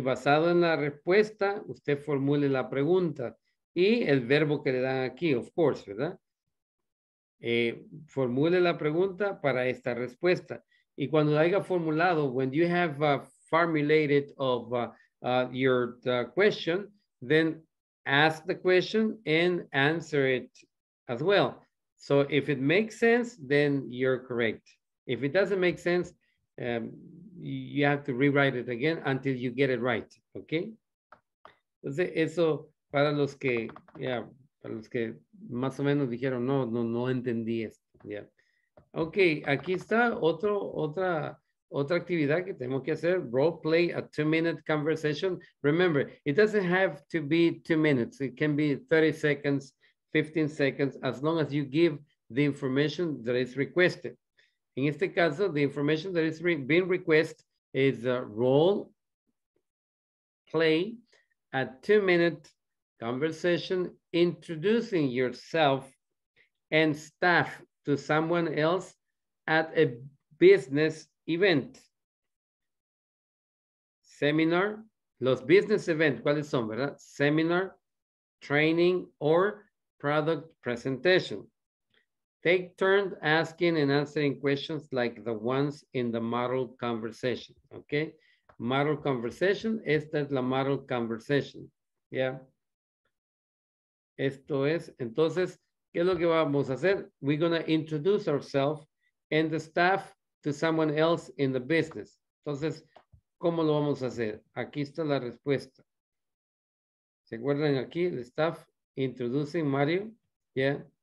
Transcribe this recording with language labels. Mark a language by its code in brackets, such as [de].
[es] Basado en la respuesta, usted formule la pregunta y el verbo que le dan aquí, [en] of course, [es] ¿verdad? Formule la pregunta para esta respuesta. Y cuando haya formulado, [en] when you have formulated of your question, then ask the question and answer it as well. So if it makes sense, then you're correct. If it doesn't make sense, you have to rewrite it again until you get it right. [es] Okay? Entonces, eso para los que, yeah. Para los que más o menos dijeron, no entendí esto. Yeah. Ok, aquí está otra actividad que tenemos que hacer. [en] Role play a 2-minute conversation. Remember, it doesn't have to be 2 minutes. It can be 30 seconds, 15 seconds, as long as you give the information that is requested. [es] En este caso, [en] the information that is being requested is a role play a 2-minute conversation, introducing yourself and staff to someone else at a business event. Seminar, los business events, [es] ¿cuáles son, verdad? [en] Seminar, training, or product presentation. Take turns asking and answering questions like the ones in the model conversation, okay? Model conversation, [es] esta es la [en] model conversation, yeah? [es] Esto es, entonces, ¿qué es lo que vamos a hacer? [en] We're gonna introduce ourselves and the staff to someone else in the business. [es] Entonces, ¿cómo lo vamos a hacer? Aquí está la respuesta. ¿Se acuerdan aquí? [en] El staff introducing Mario, yeah?